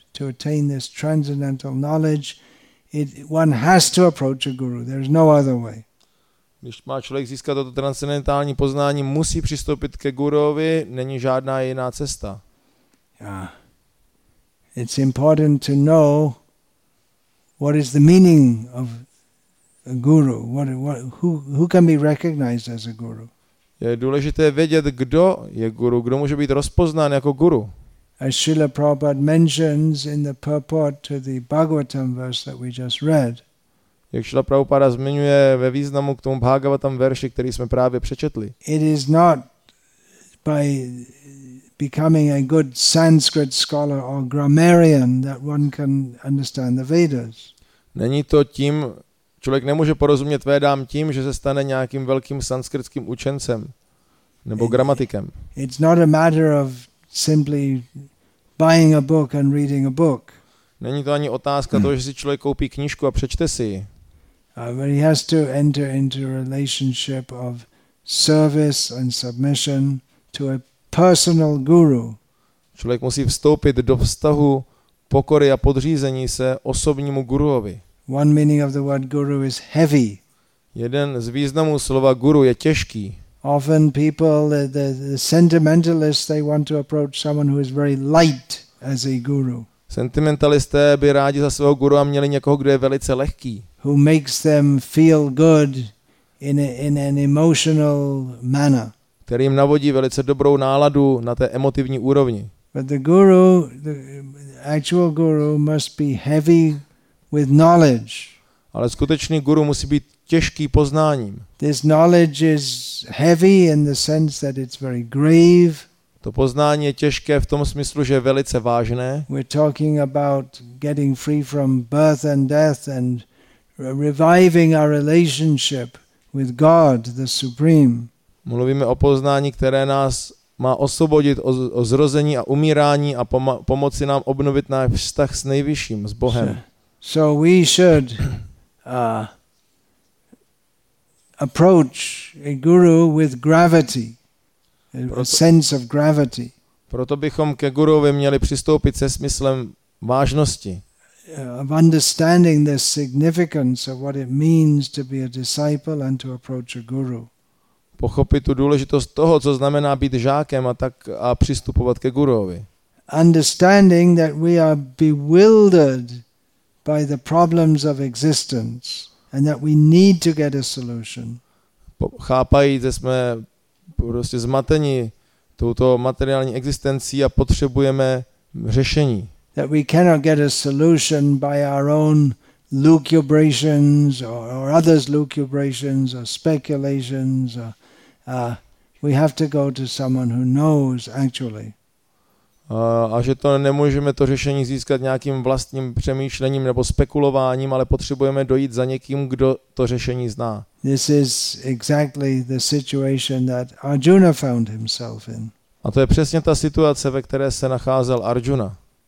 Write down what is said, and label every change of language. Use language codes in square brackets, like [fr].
[en] To attain this transcendental knowledge, one has to approach a guru. There is no other way. [cs] Když má člověk získat toto transcendentální poznání, musí přistoupit ke guruovi, není žádná jiná cesta. [en] Yeah. It's important to know what is the meaning of a guru. Who can be recognized as a guru? [cs] Je důležité vědět, kdo je guru, kdo může být rozpoznán jako guru. [en] As Srila Prabhupada mentions in the purport to the Bhagavatam verse that we just read. [cs] Jak Srila Prabhupada zmiňuje ve významu k tomu Bhagavatam verši, který jsme právě přečetli. [en] It is not by becoming a good Sanskrit scholar or grammarian that one can understand the Vedas. [cs] Není to tím, člověk nemůže porozumět Vedám tím, že se stane nějakým velkým sanskritským učencem nebo gramatikem. [en] It's not a matter of simply buying a book and reading a book. [cs] Není to ani otázka toho, že si člověk koupí knížku a přečte si ji. [en] But he has to enter into a relationship of service and submission to a personal guru. [cs] Člověk musí vstoupit do vztahu pokory a podřízení se osobnímu guruovi. [en] One meaning of the word guru is heavy. [cs] Jeden z významů slova guru je těžký. [en] Often people, the sentimentalists, they want to approach someone who is very light as a guru. [cs] Sentimentalisté by rádi za svého guru a měli někoho, kdo je velice lehký. [en] Who makes them feel good in an emotional manner. [cs] Který jim navodí velice dobrou náladu na té emotivní úrovni. [en] But the guru, the actual guru must be heavy with knowledge. [cs] Ale skutečný guru musí být těžký poznáním. [en] This knowledge is heavy in the sense that it's very grave. [cs] To poznání je těžké v tom smyslu, že je velice vážné. [en] We're talking about getting free from birth and death and reviving our relationship with God, the Supreme. [cs] Mluvíme o poznání, které nás má osvobodit od zrození a umírání a pomoci nám obnovit náš vztah s Nejvyšším, s Bohem. [en] So we should approach a guru with gravity, a sense of gravity. [cs] Proto bychom ke guruovi měli přistoupit se smyslem vážnosti. [en] Of understanding the significance of what it means to be a disciple and to approach a guru. [cs] Pochopit tu důležitost toho, co znamená být žákem a tak a přistupovat ke guruovi. [en] Understanding that we are bewildered by the problems of existence and that we need to get a solution. [cs] Chápajíc, že jsme prostě zmatení touto materiální existencí a potřebujeme řešení. [en] That we cannot get a solution by our own lucubrations or others' lucubrations or speculations. We have to go to someone who knows actually. [cs] A že to nemůžeme to řešení získat nějakým vlastním přemýšlením nebo spekulováním, ale potřebujeme dojít za někým, kdo to řešení zná. [en] This is exactly the situation that Arjuna found himself in. [cs] A to je přesně ta situace, ve které se nacházel Arjuna.